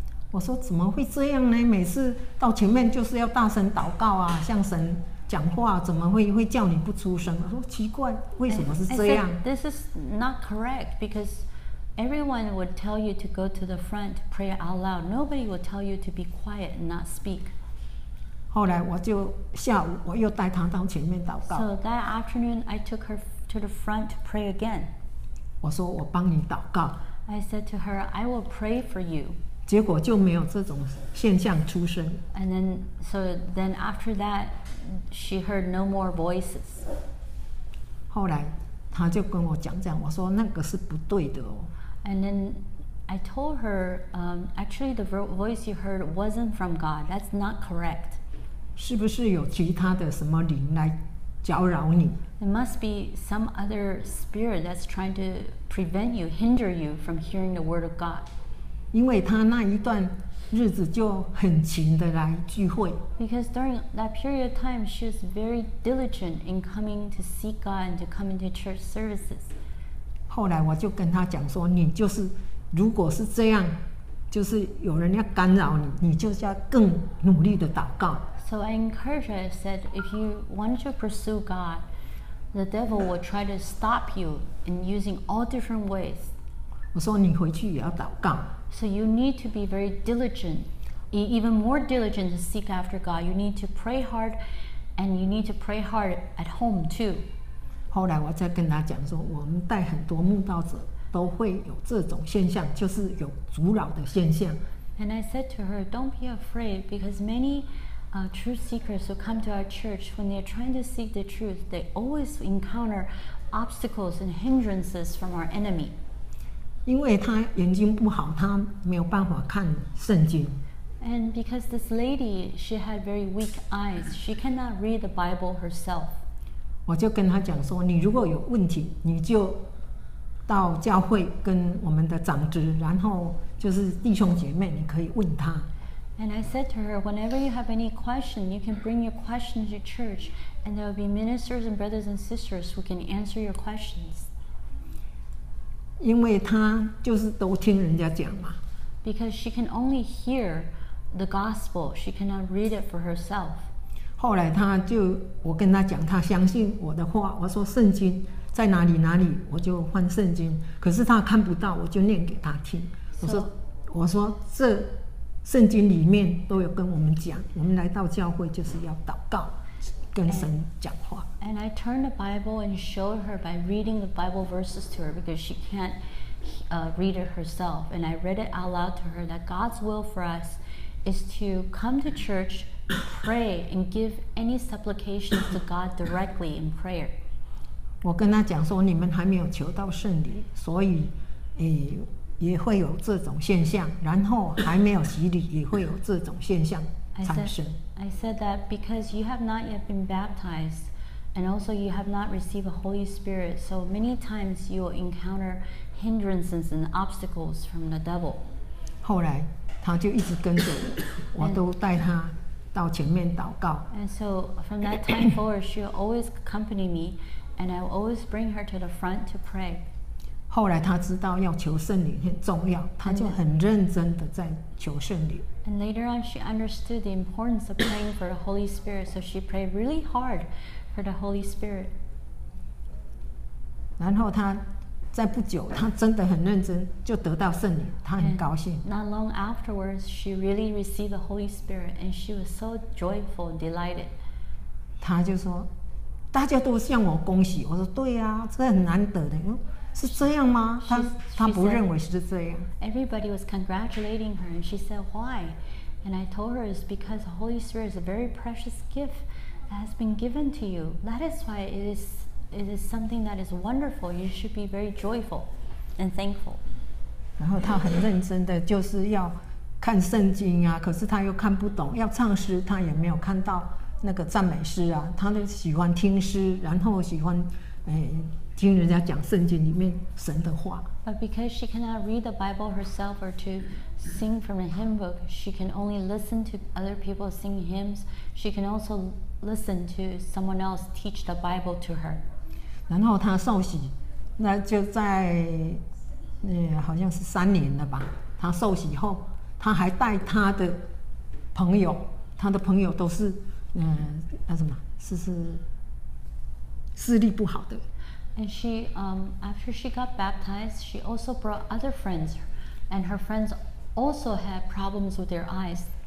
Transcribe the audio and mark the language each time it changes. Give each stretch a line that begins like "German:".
Chinese: 我说怎么会这样呢？每次到前面就是要大声祷告啊，向神讲话，怎么会叫你不出声？我说奇怪，为什么是这样？
English: I said, this is not correct because everyone would tell you to go to the front to pray out loud. Nobody would tell you to be quiet and not speak.
Chinese: 后来我就下午我又带她到前面祷告。
English: So that afternoon, I took her to the front to pray again.
Chinese: 我说我帮你祷告。
English: I said to her, I will pray for you.
Chinese: 结果就没有这种现象出现。
English: And then, so then after that, she heard no more voices.
Chinese: 后来，她就跟我讲讲，我说那个是不对的哦。
English: And then I told her, actually the voice you heard wasn't from God. That's not correct.
Chinese: 是不是有其他的什么灵来搅扰你？
English: It must be some other spirit that's trying to prevent you, hinder you from hearing the word of God.
Chinese: 因为他那一段日子就很勤的来聚会。
English: Because during that period of time, she was very diligent in coming to seek God and to come into church services.
Chinese: 后来我就跟他讲说，你就是如果是这样，就是有人要干扰你，你就要更努力的祷告。
English: So I encouraged her. I said, if you want to pursue God, the devil will try to stop you in using all different ways.
Chinese: 我说你回去也要祷告。
English: So you need to be very diligent, even more diligent to seek after God. You need to pray hard, and you need to pray hard at home too.
Chinese: 后来我再跟他讲说，我们带很多慕道者都会有这种现象，就是有阻扰的现象。
English: And I said to her, don't be afraid, because many truth seekers who come to our church, when they're trying to seek the truth, they always encounter obstacles and hindrances from our enemy.
Chinese: 因为她眼睛不好，她没有办法看圣经。
English: And because this lady, she had very weak eyes, she cannot read the Bible herself.
Chinese: 我就跟她讲说，你如果有问题，你就到教会跟我们的长执，然后就是弟兄姐妹，你可以问她。
English: And I said to her, whenever you have any question, you can bring your questions to church, and there will be ministers and brothers and sisters who can answer your questions.
Chinese: 因为她就是都听人家讲嘛。
English: Because she can only hear the gospel, she cannot read it for herself.
Chinese: 后来她就，我跟她讲，她相信我的话。我说圣经在哪里哪里，我就换圣经。可是她看不到，我就念给她听。我说这圣经里面都有跟我们讲，我们来到教会就是要祷告。跟神讲话。
English: And I turned the Bible and showed her by reading the Bible verses to her because she can't read it herself. And I read it out loud to her that God's will for us is to come to church, pray, and give any supplications to God directly in prayer.
Chinese: 我跟她讲说，你们还没有求到圣礼，所以也会有这种现象。然后还没有洗礼，也会有这种现象产生。
English: I said that because you have not yet been baptized and also you have not received a Holy Spirit, so many times you will encounter hindrances and obstacles from the devil.
Chinese: 后来他就一直跟着我，我都带他到前面祷告。
English: And so from that time forward, she always accompany me, and I always bring her to the front to pray.
Chinese: 后来她知道要求圣灵很重要，她就很认真的在求圣灵。
English: And later on, she understood the importance of praying for the Holy Spirit, so she prayed really hard for the Holy Spirit.
Chinese: 然后她在不久，她真的很认真，就得到圣灵，她很高兴。
English: And not long afterwards, she really received the Holy Spirit, and she was so joyful, delighted.
Chinese: 她就说：“大家都向我恭喜。” 我说：“对啊，这很难得的。” 是这样吗？
English: She
Chinese: 不认为是这样。
English: Everybody was congratulating her, and she said, "Why?" And I told her, "It's because the Holy Spirit is a very precious gift that has been given to you. That is why it is something that is wonderful. You should be very joyful and thankful."
Chinese: 然后她很认真的就是要看圣经啊，可是她又看不懂，要唱诗她也没有看到那个赞美诗啊，她就喜欢听诗，然后喜欢听人家讲圣经里面神的话。
English: But because she cannot read the Bible herself or to sing from a hymn book, she can only listen to other people sing hymns. She can also listen to someone else teach the Bible to her.
Chinese: 然后她受洗，那就在好像是三年了吧。她受洗后，她还带她的朋友，她的朋友都是那什么，是视力不好的。
English: And she, after she got baptized, she also brought other friends, and her friends also had problems with their eyes.